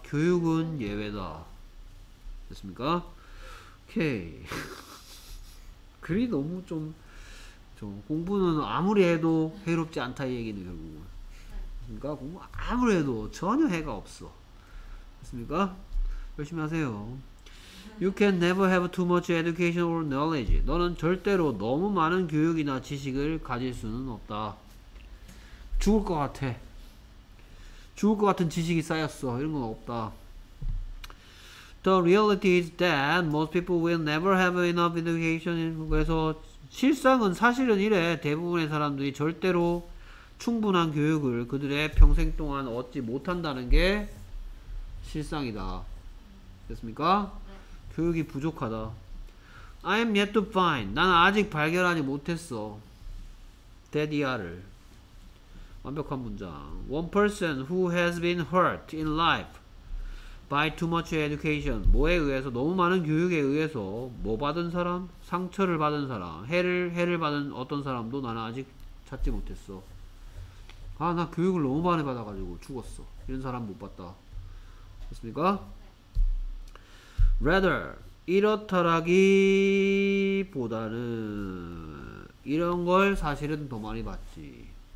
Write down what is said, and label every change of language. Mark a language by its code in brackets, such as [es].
[ko] 교육은 예외다. 됐습니까? 오케이. 글이 너무 좀, 좀 공부는 아무리 해도 해롭지 않다 이 얘기는 결국은. 그러니까 공부 아무리 해도 전혀 해가 없어. 됐습니까? 열심히 하세요. [en] You can never have too much education or knowledge. [ko] 너는 절대로 너무 많은 교육이나 지식을 가질 수는 없다. 죽을 것 같아. 죽을 것 같은 지식이 쌓였어. 이런 건 없다. [en] The reality is that most people will never have enough education. [ko] 그래서 실상은 사실은 이래. 대부분의 사람들이 절대로 충분한 교육을 그들의 평생 동안 얻지 못한다는 게 실상이다. 됐습니까? 교육이 부족하다. [en] I am yet to find. [ko] 나는 아직 발견하지 못했어. That ER을. 완벽한 문장. [en] One person who has been hurt in life by too much education. [ko] 뭐에 의해서, 너무 많은 교육에 의해서, 뭐 받은 사람? 상처를 받은 사람. 해를 받은 어떤 사람도 나는 아직 찾지 못했어. 아, 나 교육을 너무 많이 받아가지고 죽었어. 이런 사람 못 봤다. 됐습니까? Rather, 이렇다라기보다는, 이런 걸 사실은 더 많이 봤지.